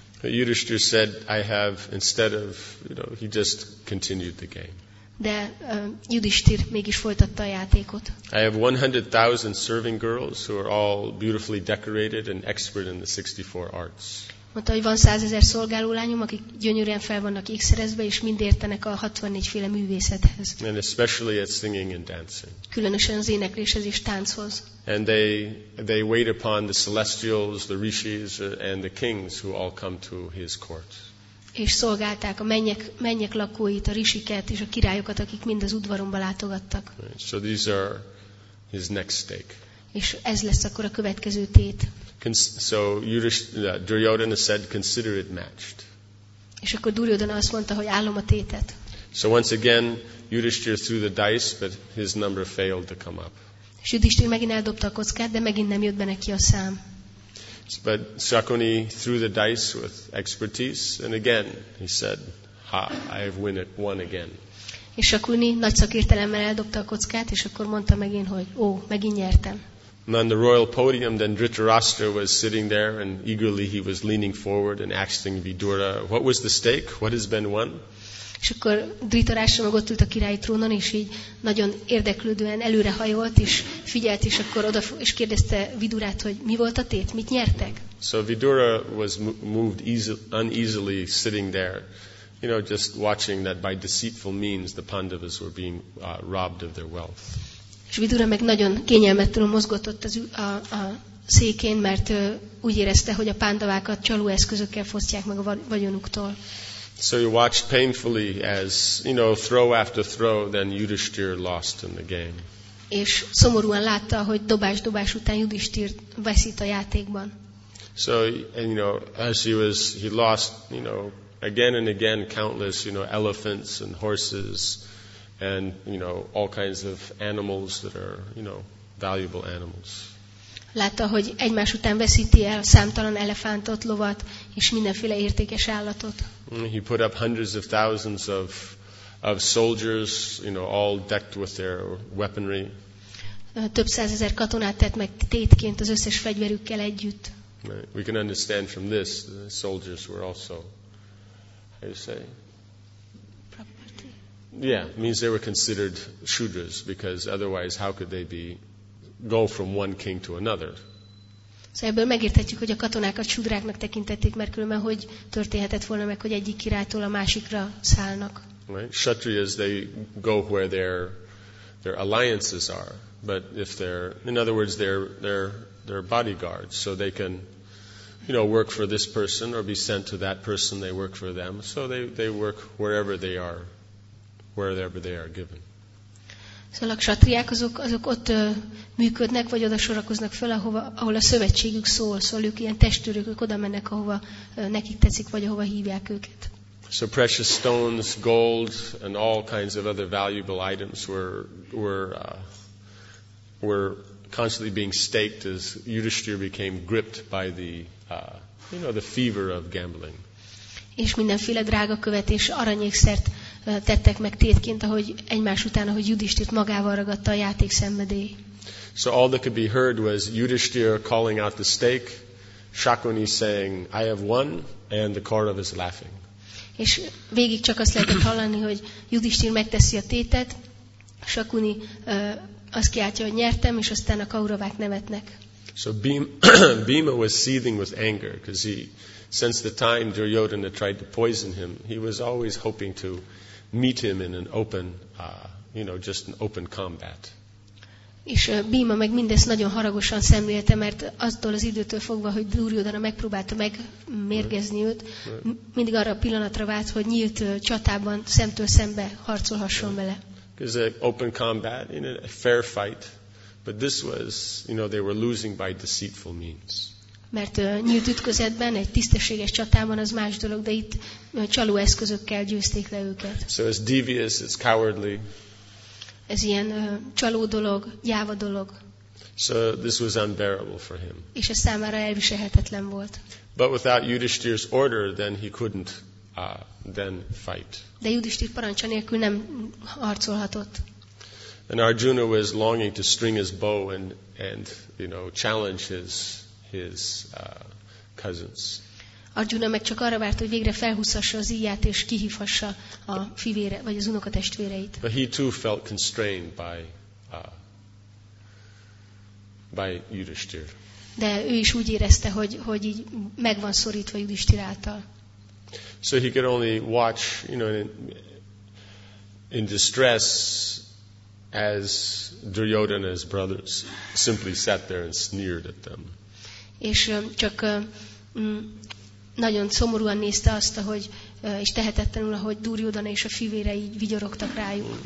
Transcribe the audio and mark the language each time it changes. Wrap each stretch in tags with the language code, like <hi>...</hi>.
<en>But Yudhishthira said, I have, instead of, you know, he just continued the game.</en> <hu>De Yudhishthir mégis folytatta a játékot.</hu> <en>I have 100,000 serving girls who are all beautifully decorated and expert in the 64 arts.</en> <hu>Mondta, hogy van 100,000 szolgáló lányom, akik gyönyörűen fel vannak ékszerezve és mind értenek a 64 féle művészethez.</hu> <en>And especially at singing and dancing.</en> <hu>Különösen az énekléshez és tánchoz.</hu> <en>And they wait upon the celestials, the rishis and the kings who all come to his court.</en> <hu>És szolgálták a mennyek lakóit, a risiket és a királyokat, akik mind az udvaromba látogattak.</hu> <en>Right, so these are his next stake.</en> <hu>És ez lesz akkor a következő tét.</hu> <en>So Duryodhana said, consider it matched.</en> <hu>És akkor Duryodhana azt mondta, hogy állom a tétet.</hu> <en>So once again, Yudhishthir threw the dice, but his number failed to come up.</en> <hu>És Yudhishthir megint eldobta a kockát, de megint nem jött be neki a szám.</hu> <en>But Shakuni threw the dice with expertise, and again he said, "Ha, I have won it one again."</en> <hu>És Shakuni nagy szakértelemmel eldobta a kockát, és akkor mondta megint, hogy ó, megint nyertem.</hu> <en>And on the royal podium, then Dhritarashtra was sitting there, and eagerly he was leaning forward and asking Vidura, "What was the stake? What has been won?"</en> <hu>És akkor Dhritarashtra meg ott ült a királyi trónon, és így nagyon érdeklődően előrehajolt, és figyelt, és akkor oda, és kérdezte Vidurát, hogy mi volt a tét, mit nyertek?</hu> <en>So Vidura was moved uneasily sitting there, you know, just watching that by deceitful means the Pandavas were being robbed of their wealth.</en> <hu>És Vidura meg nagyon kényelmetlenül mozgott ott a székén, mert úgy érezte, hogy a Pandavákat csaló eszközökkel fosztják meg a vagyonuktól.</hu> <en>So he watched painfully as, you know, throw after throw, then Yudhishthir lost in the game.</en> <hu>És szomorúan látta, hogy dobás-dobás után Yudhishthir veszít a játékban.</hu> <en>So, and, you know, as he lost, you know, again and again, countless, you know, elephants and horses and, you know, all kinds of animals that are, you know, valuable animals.</en> <hu>Látta, hogy egymás után veszíti el számtalan elefántot, lovat és mindenféle értékes állatot.</hu> <en>He put up hundreds of thousands of soldiers, you know, all decked with their weaponry.</en> <hu>Több százezer katonát tett meg tétként az összes fegyverükkel együtt.</hu> <en>Right. We can understand from this the soldiers were also, how you say? Property. Yeah, means they were considered shudras because otherwise how could they be go from one king to another.</en> <hu>So ebből megérthetjük, hogy a katonákat sudráknak tekintették, mert különben hogy történhetett volna meg, hogy egyik királytól a másikra szállnak.</hu> <en>Right. Kshatriyas, they go where their alliances are, but if they're, in other words, they're bodyguards, so they can, you know, work for this person or be sent to that person, they work for them. So they work wherever they are, wherever they are given.</en> <hu>Szóval a ksatriák azok ott működnek, vagy oda sorakoznak föl, ahol a szövetségük szól, ők ilyen testőrök, ők oda mennek, ahova nekik tetszik, vagy ahova hívják őket.</hu> <en>So precious stones, gold, and all kinds of other valuable items were constantly being staked as Yudhishthir became gripped by the, you know, the fever of gambling.</en> <hu>És mindenféle drága követ és aranyékszert tettek meg tétként, ahogy egymás után, ahogy Yudhishthirt magával ragadta a játék szenvedély.</hu> <en>So all that could be heard was Yudhishthir calling out the stake, Shakuni saying, "I have won," and the Kauravas laughing.</en> <hu>És végig csak azt lehetett hallani, hogy Yudhishthir megteszi a tétet, Shakuni azt kiáltja, hogy nyertem, és aztán a Kauravák nevetnek.</hu> <en>So Bhima was seething with anger, because he, since the time Duryodhana tried to poison him, he was always hoping to meet him in an open, you know, just an open combat.</en> <hu>És Bhima meg mindezt nagyon haragosan szemlélte, mert attól az időtől fogva, hogy Duryodhana megpróbálta megmérgezni őt, mindig arra a pillanatra várt, hogy nyílt csatában szemtől szembe harcolhasson vele.</hu> <en>It was an open combat, you know, a fair fight, but this was, you know, they were losing by deceitful means.</en> <hu>Mert nyílt ütközetben, egy tisztességes csatában az más dolog, de itt csaló eszközökkel győzték le őket.</hu> <en>So it's devious, it's cowardly.</en> <hu>Ez ilyen csaló dolog, gyáva dolog.</hu> <en>So this was unbearable for him.</en> <hu>És ez számára elviselhetetlen volt.</hu> <en>But without Yudhishthir's order, then he couldn't then fight.</en> <hu>De Yudhishthir parancsa nélkül nem harcolhatott.</hu> <en>And Arjuna was longing to string his bow and you know, challenge his cousins.</en> <hu>Arjuna meg csak arra várt, hogy végre felhúzhassa az íját és kihívhassa a fivére vagy az unokatestvéreit.</hu> <en>But he too felt constrained by Yudhishthir.</en> <hu>De ő is úgy érezte, hogy így meg van szorítva Yudhishthir által.</hu> <en>So he could only watch, you know, in distress as Duryodhana's brothers simply sat there and sneered at them.</en> <hu>És csak nagyon szomorúan nézte azt, ahogy, és tehetetlenül, ahogy Duryodhana és a fivére így vigyorogtak rájuk.</hu>